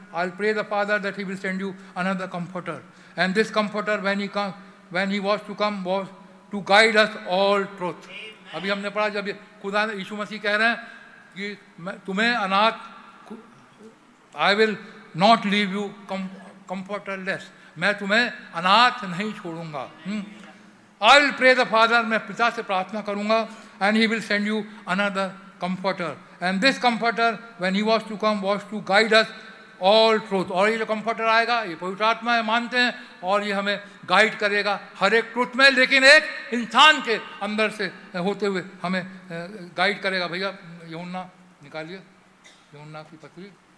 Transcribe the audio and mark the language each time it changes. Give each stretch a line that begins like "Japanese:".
English: I'll pray the Father that he will send you another comforter. And this comforter, when he was to come, was to guide us all truth.
Hindi: अभी हमने पढ़ा जब खुदा यीशु मसीह कह रहे हैं कि तुम्हें अनाथ,
English: I will not leave you comfortless.
Hindi: मैं तुम्हें अनाथ नहीं छोड़ूंगा।
English: I will pray the Father,
Hindi: मैं पिता से प्रार्थना करूंगा,
English: and he will send you another comforter. And this comforter when he was to come was to guide us all truth.
Hindi: और ये जो कम्फर्टर आएगा ये पवित्र आत्मा है, मानते हैं, और ये हमें गाइड करेगा हर एक ट्रूथ में, लेकिन एक इंसान के अंदर से होते हुए हमें गाइड करेगा। भैया यूहन्ना निकालिए, यूहन्ना की पत्री